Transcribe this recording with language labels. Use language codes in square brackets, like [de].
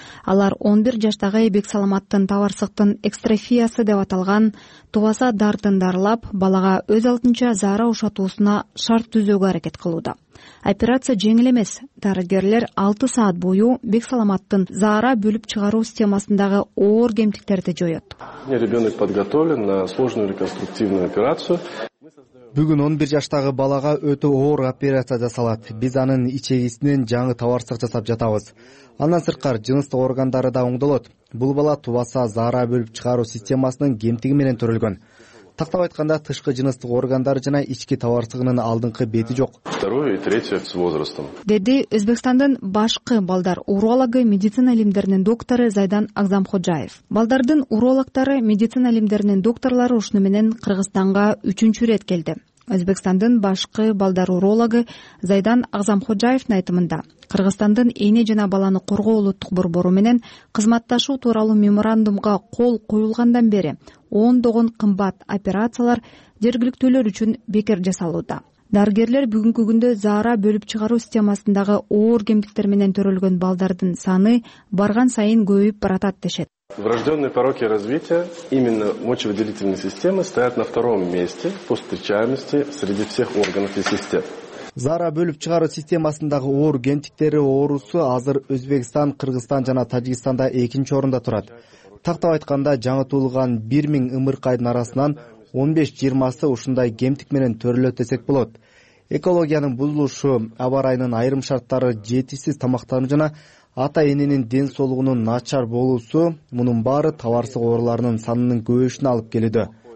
[ky] Алар 11 жаштагы Эбек Саламаттын таварсыктын экстрафиясы деп аталган тубаса дартын дарылап, балага өз алдынча заара ушатуусуна шарт түзөөгө аракет кылууда. Операция жеңил эмес. Дарыгерлер 6 саат бою Бек Саламаттын заара бөлүп чыгаруу системасындагы оор кемтиктерди жоёт. [ru] Ребенок подготовлен на сложную реконструктивную операцию. [ky] Бүгүн 11 жаштагы балага өтө оор операция жасалат. Биз анын ичегисинен жаңы таварсык жасап жатабыз. Андан сырткары жыныстык органдары да оңдолот. Бул бала тубаса заара бөлүп чыгаруу системасынын кемтиги менен төрөлгөн. Тактап айтканда тышкы жыныстык органдары жана ички таварсыгынын алдыңкы бети жок. [ru] Второе и третье с возрастом. [ky] Деди Өзбекстандын башкы балдар урологу медицина илимдеринин доктору Зайдан Агзамходжаев. Балдардын урологтору медицина илимдеринин докторлору ушуну менен Кыргызстанга 3-үнчү ирет келди. Өзбекстандын башкы балдар урологу Зайдан Агзамходжаевдин айтымында Кыргызстандын эне жана баланы коргоо улуттук борбору менен кызматташуу тууралуу меморандумга кол коюлгандан бери ондогон кымбат операциялар жергиликтүүлөр үчүн бекер жасалууда. Дарыгерлер бүгүнкү күндө заара бөлүп чыгаруу системасындагы оор кемтиктер менен төрөлгөн балдардын саны барган сайын көбөйүп баратат дешет. [ru] Врожденные пороки развития именно мочевыделительной системы стоят на втором месте по встречаемости среди всех органов и систем. [ky] Зара бөлүп чыгаруу системасындагы оор кемтиктери оорусу азыр Өзбекстан, Кыргызстан жана Тажикстанда экинчи орунда турат. Тактап айтканда, жаңы туулган 1000 ымыркайдын арасынан 15-20 ушундай кемтик менен төрөлөт десек болот. Экологиянын бузулушу, аба ырайынын айрым шарттары, жетишсиз тамактануу жана ата эненин ден соолугунун начар болуусу мунун баары товарсыз оорларынын санынын көбөйүшүнө алып келүүдө.